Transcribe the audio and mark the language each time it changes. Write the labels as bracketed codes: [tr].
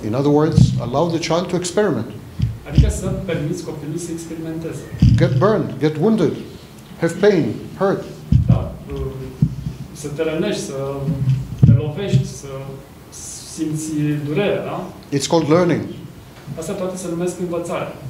[en] In other words, allow the child to experiment. [ro] Adică să permiți copilului să experimenteze. [en] Get burned, get wounded, have pain, hurt. [ro] Da, să te rănești, să te lovești, să simți durerea, da? [en] It's called learning. [ro] Asta toate se numesc învățare.